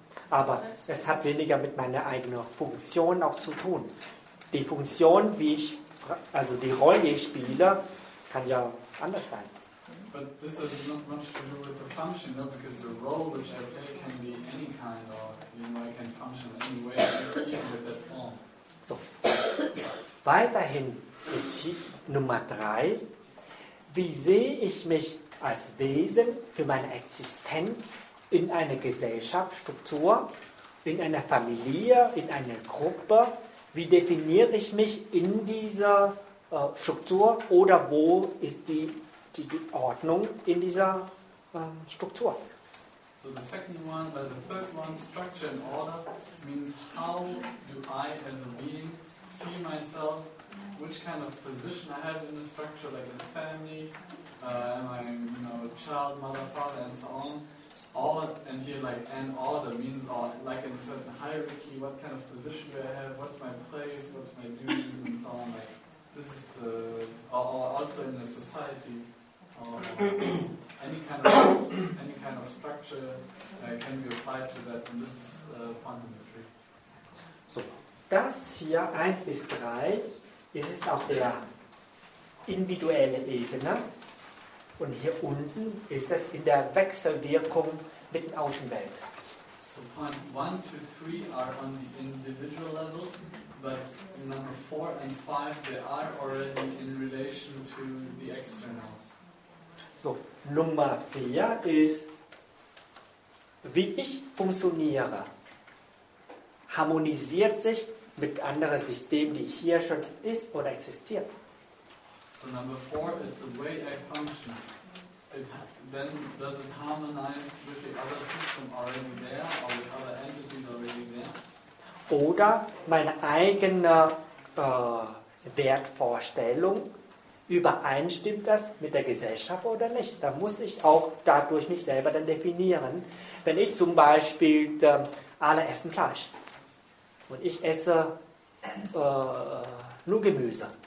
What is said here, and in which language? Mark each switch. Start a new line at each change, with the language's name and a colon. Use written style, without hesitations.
German: Aber es hat weniger mit meiner eigenen Funktion auch zu tun. Die Funktion, wie ich, also die Rolle, die ich spiele, kann ja anders sein.
English: But this has not much to do with the function, no? Because the role which I play can be any kind of, I can function any way, even with that form.
German: So. Weiterhin ist die Nummer 3. Wie sehe ich mich als Wesen für meine Existenz in einer Gesellschaftsstruktur, in einer Familie, in einer Gruppe? Wie definiere ich mich in dieser Struktur oder wo ist die Ordnung in dieser Struktur?
English: So the second one, the third one, structure and order, means how do I as a being see myself, which kind of position I have in the structure, like a family, am I a child, mother, father and so on. Order means all, like in a certain hierarchy, what kind of position do I have, what's my place, what's my duties and so on. Like, this is the, or also in a society, or any kind of structure can be applied to that, and this is part of the tree.
German: So, das hier, 1 bis 3, ist auf der individuellen Ebene. Und hier unten ist es in der Wechselwirkung mit der Außenwelt.
English: So point 1, 2, 3 are on the individual level, but number 4 and 5, they are already in relation to the external.
German: So, Nummer 4 ist, wie ich funktioniere, harmonisiert sich mit anderen Systemen, die hier schon ist oder existiert.
English: So number 4 is the way I function. Then does it harmonize with the other system already there or with other entities already there?
German: Oder meine eigene Wertvorstellung übereinstimmt das mit der Gesellschaft oder nicht? Da muss ich auch dadurch mich selber dann definieren. Wenn ich zum Beispiel alle essen Fleisch und ich esse nur Gemüse.